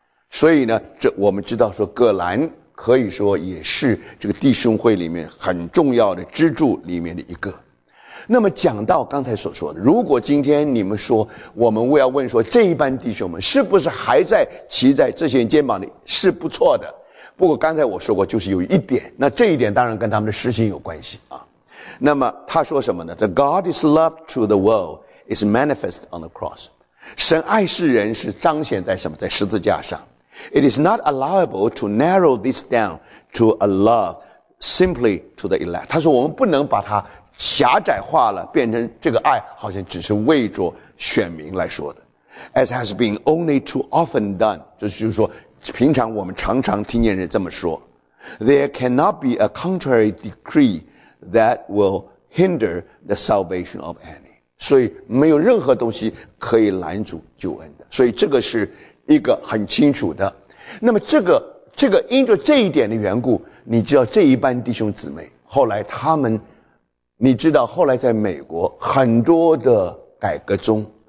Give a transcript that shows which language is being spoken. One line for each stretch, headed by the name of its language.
Chinese: 所以呢，这我们知道说葛兰可以说也是这个弟兄会里面很重要的支柱里面的一个。那么讲到刚才所说的，如果今天你们说，我们要问说，这一班弟兄们是不是还在骑在这些人肩膀里，是不错的。不过刚才我说过，就是有一点，那这一点当然跟他们的实行有关系啊。那么他说什么呢？
English: The God is love to the world is manifest on the cross.
Chinese: 神爱世人是彰显在什么？在十字架上。
English: It is not allowable to narrow this down to a love simply to the elect.
Chinese: 他说我们不能把它狭窄化了，变成这个爱好像只是为着选民来说的。
English: As has been only too often done,
Chinese: 就是说平常我们常常听见人这么说。
English: There cannot be a contrary decree that will hinder the salvation of any.
Chinese: 所以没有任何东西可以拦阻救恩的。所以这个是一个很清楚的。那么这个因着这一点的缘故，你知道这一班弟兄姊妹后来他们，你知道后来在美国很多的改革中，